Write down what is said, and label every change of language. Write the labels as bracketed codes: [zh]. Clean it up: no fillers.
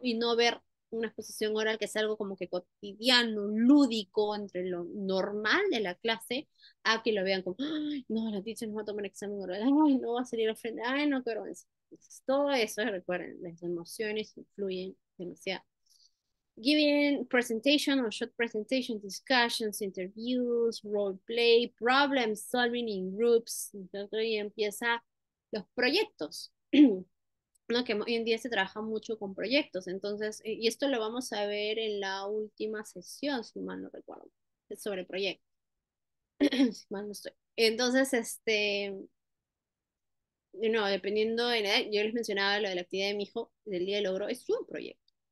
[es] Y no ver una exposición oral que es algo como que cotidiano, lúdico, entre lo normal de la clase, a que lo vean como, ay, no, la teacher no va a tomar examen oral, ay, no va a salir al frente, ay, no, qué vergüenza. Entonces, todo eso, recuerden, las emociones influyen demasiado. [en] Giving presentation or short presentation, discussions, interviews, role play, problem solving in groups. [es] Entonces ahí empieza los proyectos, ¿no? Que hoy en día se trabaja mucho con proyectos. Entonces, y esto lo vamos a ver en la última sesión, si mal no recuerdo, sobre proyectos. Si mal no estoy. Entonces, no, dependiendo de la edad, yo les mencionaba lo de la actividad de mi hijo del día del logro, es un proyecto.